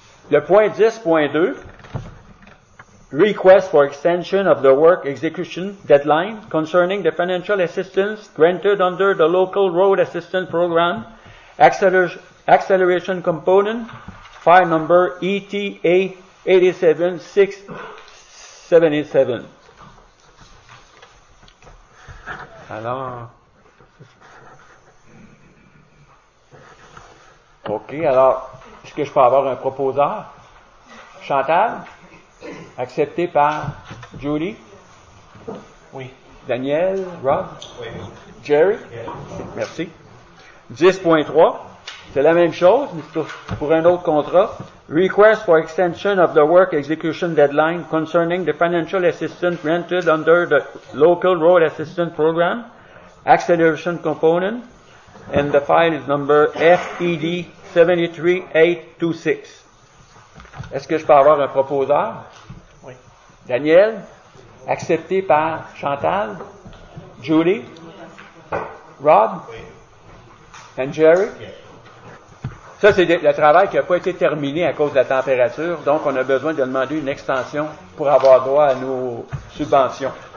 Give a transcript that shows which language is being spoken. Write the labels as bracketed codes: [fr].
[fr] Le point [en] 10.2, request for extension of the work execution deadline concerning the financial assistance granted under the local road assistance program, acceleration component, file number ETA 87677. [fr] Alors, OK, alors, est-ce que je peux avoir un proposeur? Chantal? Accepté par Julie? Oui. Daniel? Rob? Oui. Jerry? Oui. Merci. 10.3, c'est la même chose, mais c'est pour un autre contrat. [en] Request for extension of the work execution deadline concerning the financial assistance granted under the local road assistance program. Acceleration component, and the file is number FED 73826. [fr] Est-ce que je peux avoir un proposeur? Oui. Daniel, accepté par Chantal, Julie, Rob, oui. [en] And Jerry. Yes. [fr] Ça, c'est le travail qui n'a pas été terminé à cause de la température, donc on a besoin de demander une extension pour avoir droit à nos subventions.